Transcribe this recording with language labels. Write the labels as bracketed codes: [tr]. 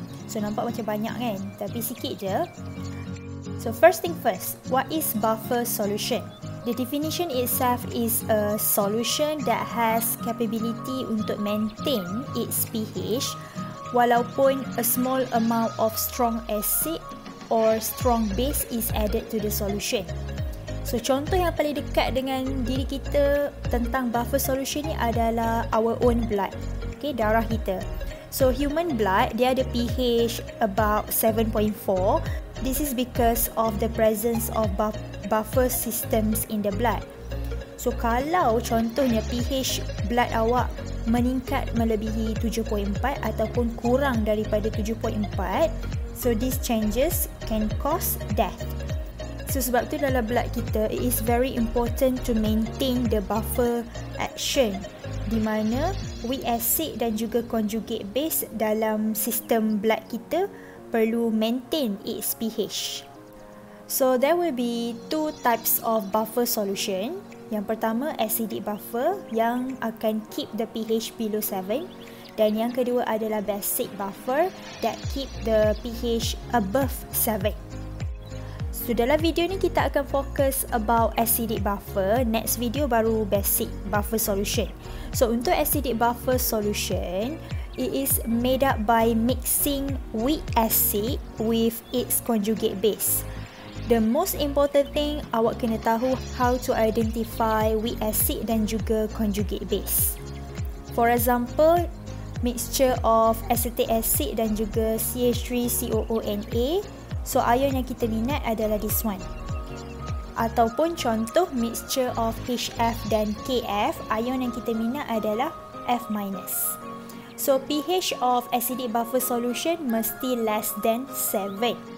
[ms] So nampak macam banyak kan? Tapi sikit je. [en] So first thing first, what is buffer solution? The definition itself is a solution that has capability [ms] untuk [en] maintain its pH [ms] walaupun [en] a small amount of strong acid or strong base is added to the solution. [ms] So contoh yang paling dekat dengan diri kita tentang buffer solution ni adalah [en] our own blood. Okay, [ms] darah kita. [en] So human blood, [ms] dia ada [en] pH about 7.4. This is because of the presence of buffer systems in the blood. [ms] So kalau contohnya pH blood awak meningkat melebihi 7.4 ataupun kurang daripada 7.4, [en] so these changes can cause death. [ms] So sebab tu dalam [en] blood kita, it is very important to maintain the buffer action, [ms] di mana [en] weak acid [ms] dan juga [en] conjugate base [ms] dalam sistem blood kita perlu [en] maintain its pH. So there will be two types of buffer solution. [ms] Yang pertama, [en] acidic buffer [ms] yang akan [en] keep the pH below 7. [ms] Dan yang kedua adalah [en] basic buffer that keep the pH above 7. [ms] So dalam video ni kita akan fokus [en] about acidic buffer. Next video [ms] baru [en] basic buffer solution. So [ms] untuk [en] acidic buffer solution, it is made up by mixing weak acid with its conjugate base. The most important thing, [ms] awak kena tahu [en] how to identify weak acid [ms] dan juga [en] conjugate base. For example, mixture of acetic acid [ms] dan juga [en] CH3COONA. [ms] So, ion yang kita minat adalah [en] this one. [ms] Ataupun contoh, [en] mixture of [ms] HF dan KF, ion yang kita minat adalah F-. [en] So, pH of acidic buffer solution [ms] mesti [en] less than 7.